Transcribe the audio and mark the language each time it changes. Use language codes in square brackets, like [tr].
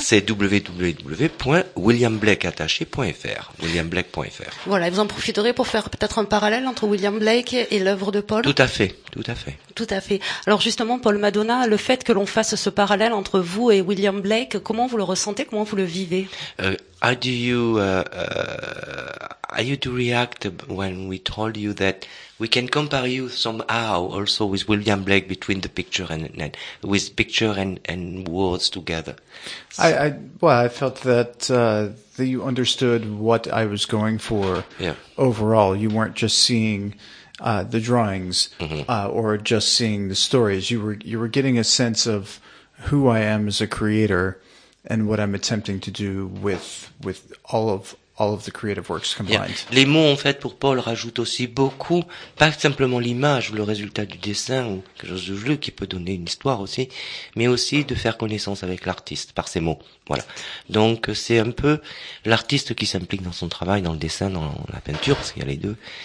[fr] C'est www.williamblakeattaché.fr. Williamblake.fr. Voilà, et vous en profiterez pour faire peut-être un parallèle entre William Blake et l'œuvre de Paul? Tout à fait. Alors justement, Paul Madonna, le fait que l'on fasse ce parallèle entre vous et William Blake, comment vous le ressentez? Comment vous le vivez? [en] How do you react when we told you that we can compare you somehow also with William Blake between the picture and with picture and words together? I felt that you understood what I was going for. Yeah. Overall, you weren't just seeing the drawings, mm-hmm. Or just seeing the stories. You were getting a sense of who I am as a creator and what I'm attempting to do with all of the creative works combined. Yeah. [fr] Les mots, en fait, pour Paul, rajoutent aussi beaucoup, pas simplement l'image ou le résultat du dessin ou quelque chose de jeu qui peut donner une histoire aussi, mais aussi de faire connaissance avec l'artiste par ses mots. Voilà. Donc, c'est un peu l'artiste qui s'implique dans son travail, dans le dessin, dans la peinture, parce qu'il y a les deux.